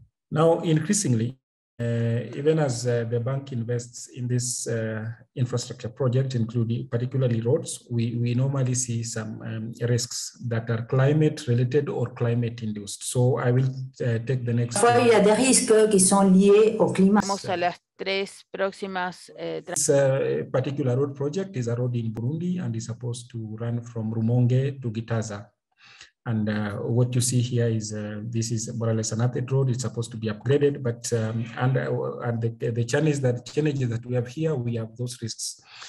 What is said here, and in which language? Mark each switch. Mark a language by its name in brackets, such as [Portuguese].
[English] Now, increasingly, even as the bank invests in this infrastructure project, including particularly roads, we normally see some risks that are climate related or climate induced. So I will take the next. [French] Il y a des risques qui sont liés au climat. [Spanish] Vamos a las tres próximas. [English] This particular road project is a road in Burundi and is supposed to run from Rumonge to Gitaza. And what you see here is this is more or less an updated road. It's supposed to be upgraded, but and the challenges that we have here, we have those risks.